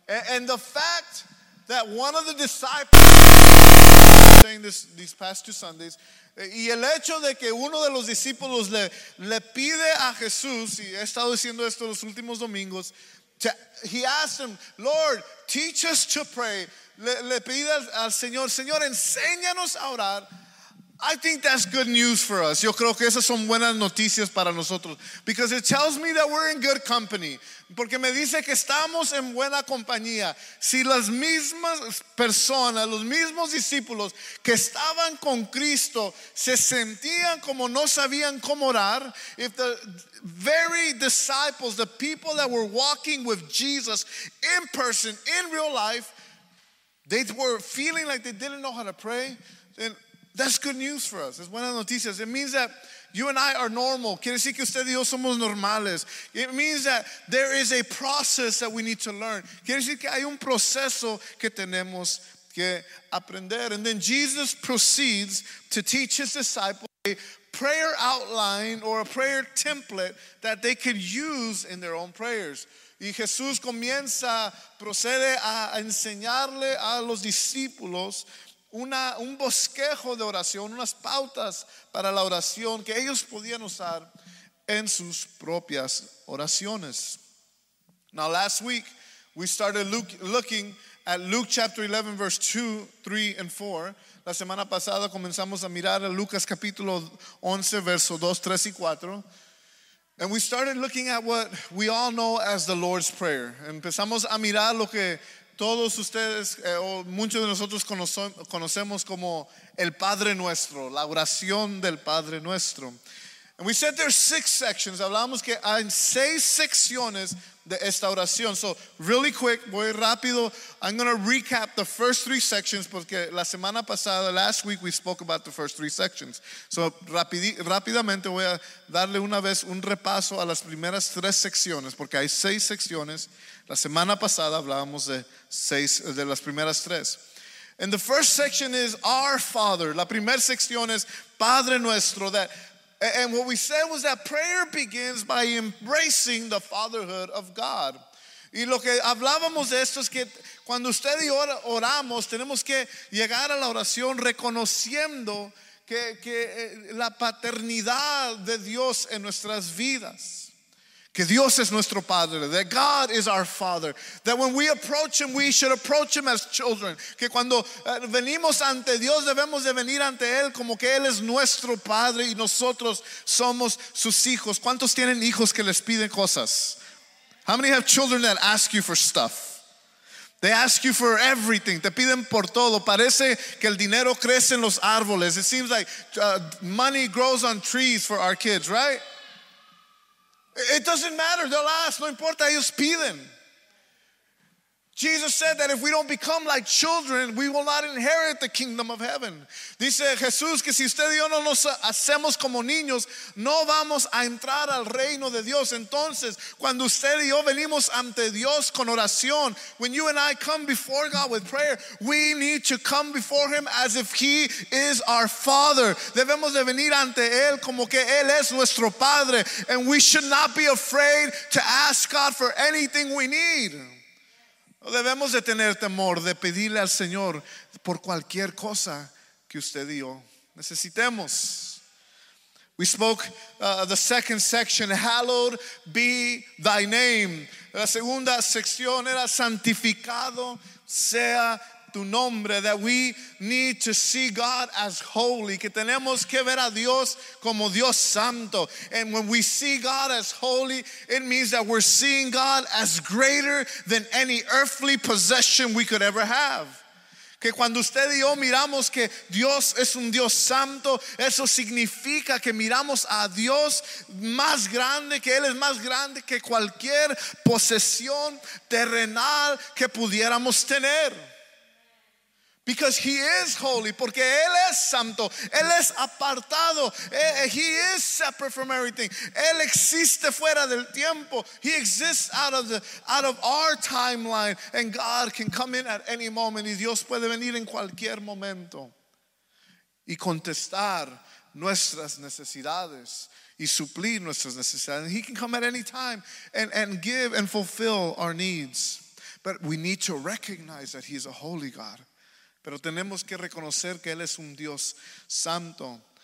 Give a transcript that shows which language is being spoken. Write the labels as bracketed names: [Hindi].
[English] And the fact that one of the disciples, saying this these past two Sundays, [Spanish] y el hecho de que uno de los discípulos le pide a Jesús, y he estado diciendo esto los últimos domingos, [English] he asked him, Lord, teach us to pray. [Spanish] Le pide al Señor, Señor, enséñanos a orar. [English] I think that's good news for us. [Spanish] Yo creo que esas son buenas noticias para nosotros. [English] Because it tells me that we're in good company. [Spanish] Porque me dice que estamos en buena compañía. Si las mismas personas, los mismos discípulos que estaban con Cristo se sentían como no sabían cómo orar, [English] if the very disciples, the people that were walking with Jesus in person, in real life, they were feeling like they didn't know how to pray, then that's good news for us. [Spanish] Es buena noticia. [English] It means that you and I are normal. [Spanish] Quiere decir que usted y yo somos normales. [English] It means that there is a process that we need to learn. [Spanish] Quiere decir que hay un proceso que tenemos que aprender. [English] And then Jesus proceeds to teach his disciples a prayer outline or a prayer template that they could use in their own prayers. [Spanish] Y Jesús procede a enseñarle a los discípulos un bosquejo de oración, unas pautas para la oración que ellos podían usar en sus propias oraciones. [English] Now last week we started looking at Luke chapter 11 verse 2, 3 and 4. [Spanish] La semana pasada comenzamos a mirar a Lucas capítulo 11 verso 2, 3 y 4. [English] And we started looking at what we all know as the Lord's Prayer. [Spanish] Empezamos a mirar lo que todos ustedes o muchos de nosotros conocemos como el Padre Nuestro, la oración del Padre Nuestro. [English] And we said there are 6 sections. [Spanish] Hablamos que hay 6 secciones de esta oración. [English] So really quick, [Spanish] voy rápido. [English] I'm going to recap the first 3 sections [Spanish] porque la semana pasada, [English] last week, we spoke about the first 3 sections. [Spanish] So rápidamente voy a darle una vez un repaso a las primeras 3 secciones porque hay 6 secciones. La semana pasada hablábamos de las primeras 3. [English] And the first section is Our Father. [Spanish] La primera sección es Padre Nuestro. [English] And what we said was that prayer begins by embracing the fatherhood of God. [Spanish] Y lo que hablábamos de esto es que cuando usted y yo oramos, tenemos que llegar a la oración reconociendo que la paternidad de Dios en nuestras vidas. Que Dios es nuestro Padre, [English] that God is our Father, that when we approach Him, we should approach Him as children. [Spanish] Que cuando venimos ante Dios, debemos de venir ante Él como que Él es nuestro Padre y nosotros somos sus hijos. ¿Cuántos tienen hijos que les piden cosas? [English] How many have children that ask you for stuff? They ask you for everything. [Spanish] Te piden por todo. Parece que el dinero crece en los árboles. [English] It seems like money grows on trees for our kids, right? It doesn't matter, they'll ask, [Spanish] no importa, ellos piden. [English] Jesus said that if we don't become like children, we will not inherit the kingdom of heaven. [Spanish] Dice Jesús que si usted y yo no nos hacemos como niños, no vamos a entrar al reino de Dios. Entonces, cuando usted y yo venimos ante Dios con oración, [English] when you and I come before God with prayer, we need to come before Him as if He is our Father. [Spanish] Debemos de venir ante Él como que Él es nuestro Padre. [English] And we should not be afraid to ask God for anything we need. [Spanish] No debemos de tener temor de pedirle al Señor por cualquier cosa que usted y yo necesitemos. [English] We spoke the second section, hallowed be thy name. [Spanish] La segunda sección era santificado sea tu nombre. [English] That we need to see God as holy. [Spanish] Que tenemos que ver a Dios como Dios santo. [English] And when we see God as holy, it means that we're seeing God as greater than any earthly possession we could ever have. [Spanish] Que cuando usted y yo miramos que Dios es un Dios santo, eso significa que miramos a Dios más grande, que Él es más grande que cualquier posesión terrenal que pudiéramos tener. [English] Because He is holy, [Spanish] porque Él es santo, Él es apartado, [English] He is separate from everything. [Spanish] Él existe fuera del tiempo, [English] He exists out of our timeline, and God can come in at any moment, [Spanish] y Dios puede venir en cualquier momento y contestar nuestras necesidades y suplir nuestras necesidades. [English] He can come at any time and give and fulfill our needs. But we need to recognize that He is a holy God. [Spanish] Pero tenemos que reconocer que Él es un Dios santo.